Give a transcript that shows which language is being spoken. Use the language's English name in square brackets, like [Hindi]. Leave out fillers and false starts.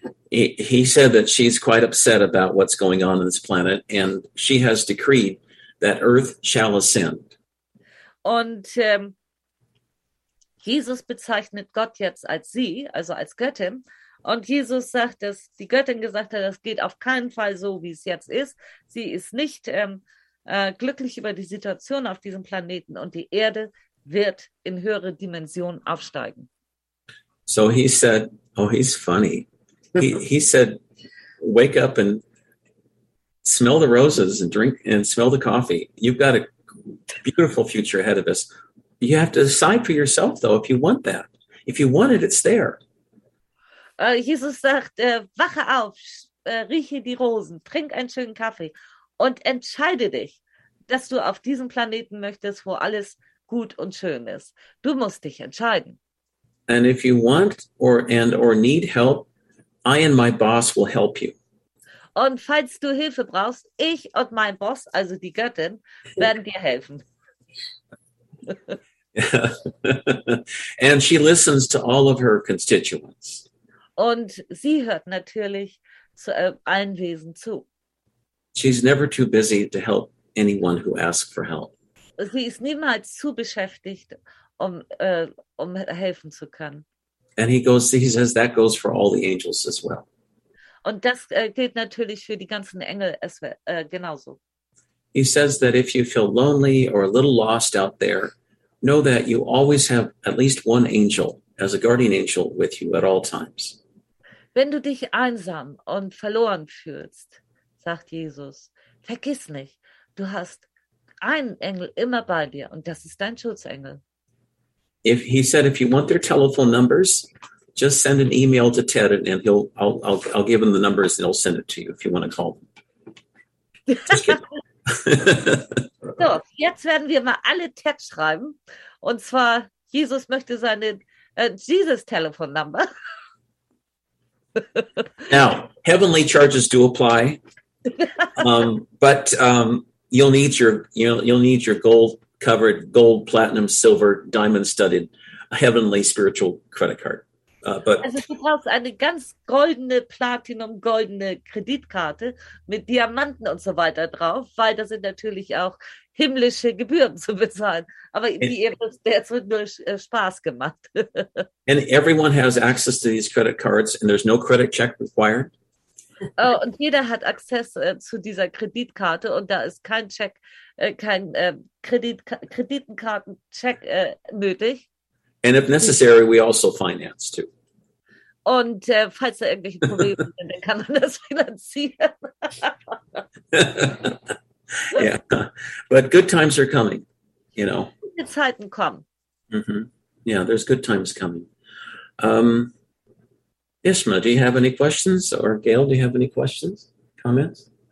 [English] He said that she's quite upset about what's going on in this planet, and she has decreed that Earth shall ascend. [German] Und Jesus bezeichnet Gott jetzt als sie, also als Göttin. Und Jesus sagt, dass die Göttin gesagt hat, das geht auf keinen Fall so, wie es jetzt ist. Sie ist nicht glücklich über die Situation auf diesem Planeten, und die Erde wird in höhere Dimensionen aufsteigen. [English] So he said, oh, he's funny. He said, wake up and smell the roses and drink and smell the coffee. You've got a beautiful future ahead of us. You have to decide for yourself, though, if you want that. If you want it, it's there. [German] Jesus sagt, wache auf, rieche die Rosen, trink einen schönen Kaffee und entscheide dich, dass du auf diesem Planeten möchtest, wo alles gut und schön ist. Du musst dich entscheiden. [English] And if you want or need help, I and my boss will help you. [German] Und falls du Hilfe brauchst, ich und mein Boss, also die Göttin, werden dir helfen. [English] And she listens to all of her constituents. [German] Und sie hört natürlich zu allen Wesen zu. [English] She's never too busy to help anyone who asks for help. [German] Sie ist niemals zu beschäftigt, um helfen zu können. [English] And he says that goes for all the angels as well. [German] Und das gilt natürlich für die ganzen Engel genauso. [English] He says that if you feel lonely or a little lost out there, know that you always have at least one angel as a guardian angel with you at all times. [German] Wenn du dich einsam und verloren fühlst, sagt Jesus, vergiss nicht, du hast einen Engel immer bei dir, und das ist dein Schutzengel. [English] If he said, if you want their telephone numbers, just send an email to Ted and I'll give him the numbers and he'll send it to you if you want to call them. [German] So, jetzt werden wir mal alle Ted schreiben. Und zwar, Jesus möchte seine Jesus [English] telephone number. Now, heavenly charges do apply. You'll need your gold covered gold, platinum, silver, diamond studded, heavenly spiritual credit card. [German] Also du brauchst eine ganz goldene, platinum goldene Kreditkarte mit Diamanten und so weiter drauf, weil das sind natürlich auch himmlische Gebühren zu bezahlen. Aber jetzt wird nur Spaß gemacht. [English] And everyone has access to these credit cards and there's no credit check required. [German] Und jeder hat Access zu dieser Kreditkarte und da ist kein Check, kein Kreditkartencheck nötig. [English] And if necessary, we also finance too. [German] Und falls da irgendwelche Probleme sind, dann kann man das finanzieren. [English] Yeah, but good times are coming, you know. [German] Gute Zeiten kommen. [English] Mm-hmm. Yeah, there's good times coming. Isma, do you have any questions? Or Gail, do you have any questions, comments?